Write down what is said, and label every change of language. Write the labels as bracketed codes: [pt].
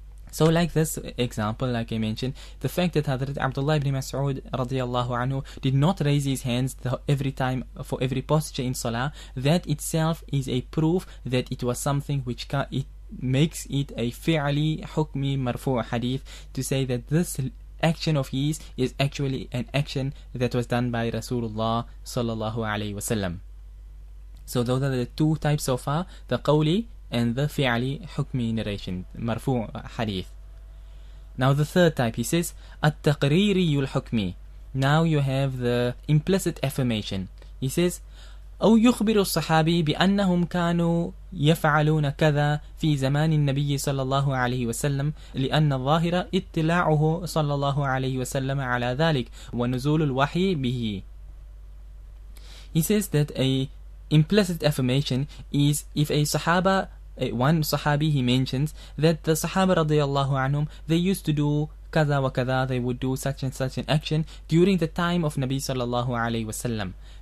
[en] So like this example, like I mentioned, the fact that Hazrat Abdullah ibn Mas'ud radiyallahu anhu did not raise his hands every time for every posture in salah, that itself is a proof that it was something which it makes it a fi'li hukmi marfu' hadith, to say that this action of his is actually an action that was done by Rasulullah sallallahu alayhi wasallam. So those are the two types so far, the qawli and the fi'li hukmi narration, marfu' hadith. Now the third type, he says, at-taqririyu al-hukmi. Now you have the implicit affirmation. [ar] He says, أو يخبر الصحابي بأنهم كانوا يفعلون كذا في زمان النبي صلى الله عليه وسلم لأن الظاهر اطلاعه صلى الله عليه وسلم على ذلك ونزول الوحي به. [en] He says that a implicit affirmation is if a sahaba, one sahabi, he mentions that the sahaba radiyallahu anhum, they used to do [ar] kaza wa kaza, [en] they would do such and such an action during the time of Nabi sallallahu alayhi wasallam.